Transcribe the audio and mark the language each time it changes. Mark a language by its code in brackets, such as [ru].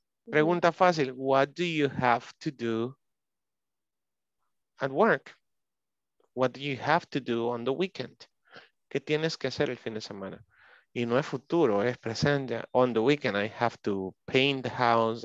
[es] Pregunta fácil, [en] what do you have to do at work? What do you have to do on the weekend? [es] ¿Qué tienes que hacer el fin de semana? Y no es futuro, es presente. [en] On the weekend, I have to paint the house.